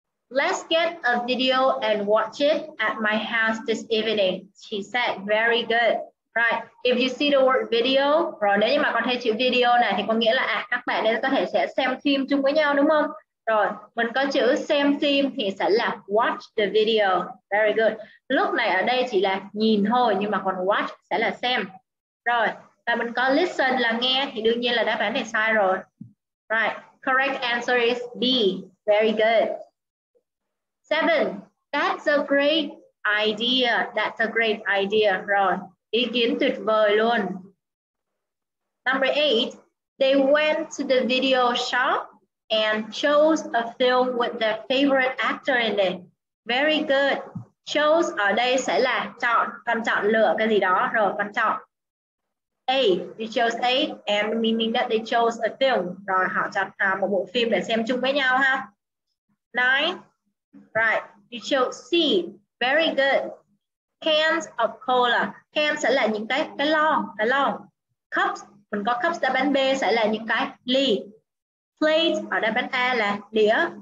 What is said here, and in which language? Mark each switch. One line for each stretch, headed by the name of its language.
English: Let's get a video and watch it at my house this evening. She said, very good. Right, if you see the word video,
Vietnamese: rồi nếu như mà con thấy chữ video này thì có nghĩa là các bạn nên có thể sẽ xem phim chung với nhau đúng không? Rồi, mình có chữ xem phim thì sẽ là
English: watch the video. Very good.
Vietnamese: Lúc này ở đây chỉ là nhìn thôi, nhưng mà còn watch sẽ là xem. Rồi, và mình có listen là nghe thì đương nhiên là đáp án này sai rồi.
English: Right, correct answer is B. Very good. Seven, that's a great idea. That's a great idea.
Vietnamese: Rồi, ý kiến tuyệt vời luôn.
English: Number eight, they went to the video shop and chose a film with their favorite actor in it. Very good.
Vietnamese: Chose ở đây sẽ là chọn, con chọn lựa cái gì đó. Rồi, con chọn.
English: A, they chose A, and meaning that they chose a film.
Vietnamese: Rồi, họ chọn một bộ phim để xem chung với nhau ha.
English: Nine, right, they chose C, very good. Cans of cola,
Vietnamese: cans sẽ là những cái lọ. Cups, mình có cups, đáp án B sẽ là những cái ly. Plate, ở đáp án A là đĩa.